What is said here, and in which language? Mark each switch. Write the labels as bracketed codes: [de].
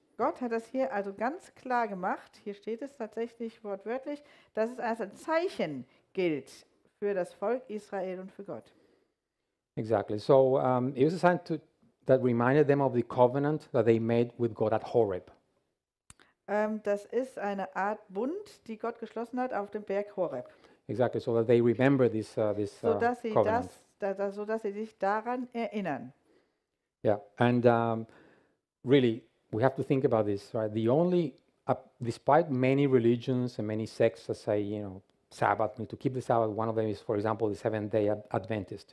[de] Gott hat das hier also ganz klar gemacht. Hier steht es tatsächlich wortwörtlich, dass es als ein Zeichen gilt für das Volk Israel und für Gott. [en] Exactly. So it was a sign to, that reminded them of the covenant that they made with God at Horeb. [de] Das ist eine Art Bund, die Gott geschlossen hat auf dem Berg Horeb. [en] Exactly. So that they remember this this [de] so, dass sie covenant. Das, da, so dass sie sich daran erinnern. [en] Yeah. And really, we have to think about this, right? The only, despite many religions and many sects that say, you know, Sabbath, need to keep the Sabbath. One of them is, for example, the Seventh-day Adventist.